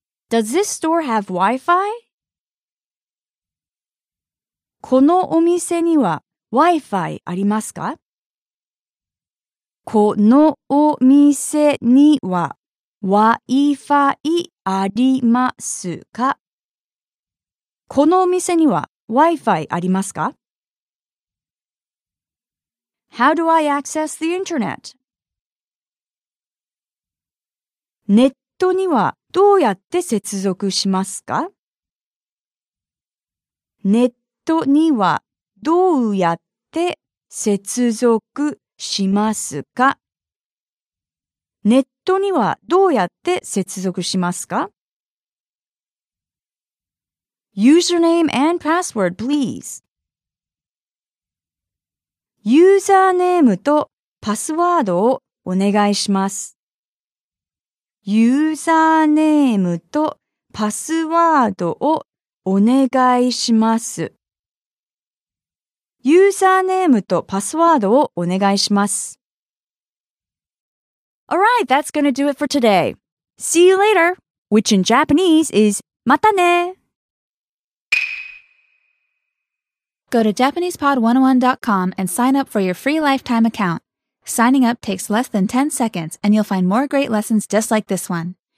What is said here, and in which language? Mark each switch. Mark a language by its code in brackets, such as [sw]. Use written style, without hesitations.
[en] Does this store have Wi-Fi? [ja] このお店には Wi-Fi ありますか? このお店にはWi-Fi ありますか? このお店には Wi-Fi ありますか? [en] How do I access the internet? [ja] ネットにはどうやって接続しますか? ネットにはどうやって接続しますか? ネットにはどうやって接続しますか? [en] Username and password, please. [ja] ユーザーネームとパスワードをお願いします。ユーザーネームとパスワードをお願いします。ユーザーネームとパスワードをお願いします。 [en] Alright, that's going to do it for today. See you later, which in Japanese is [ja] またね! [en] Go to JapanesePod101.com and sign up for your free lifetime account. Signing up takes less than 10 seconds and you'll find more great lessons just like this one.